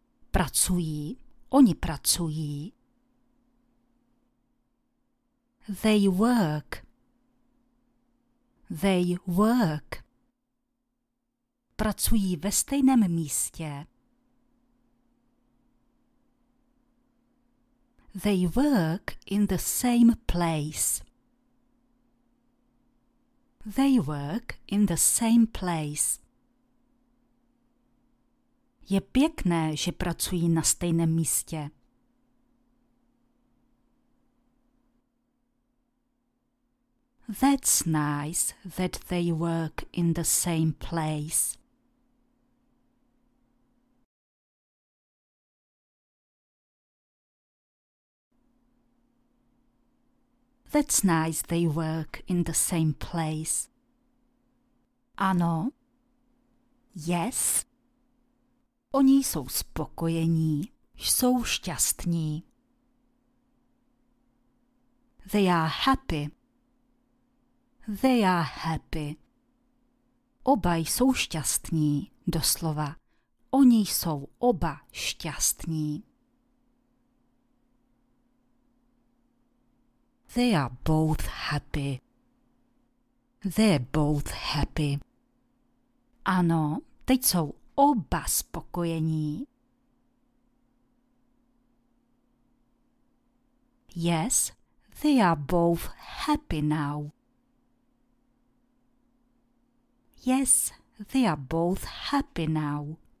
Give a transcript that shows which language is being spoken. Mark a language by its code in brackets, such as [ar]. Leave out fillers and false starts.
[cs] Pracují, oni pracují. [en] They work. They work. [cs] Pracují ve stejném místě. [en] They work in the same place. They work in the same place. [cs] Je pěkné, že pracují na stejném místě. [en] That's nice that they work in the same place. That's nice they work in the same place. [cs] Ano. [en] Yes. [cs] Oni jsou spokojení, jsou šťastní. [en] They are happy. They are happy. [cs] Oba jsou šťastní, doslova. Oni jsou oba šťastní. [en] They are both happy. They're both happy. [cs] Ano, teď jsou oba spokojení. [en] Yes, they are both happy now. Yes, they are both happy now.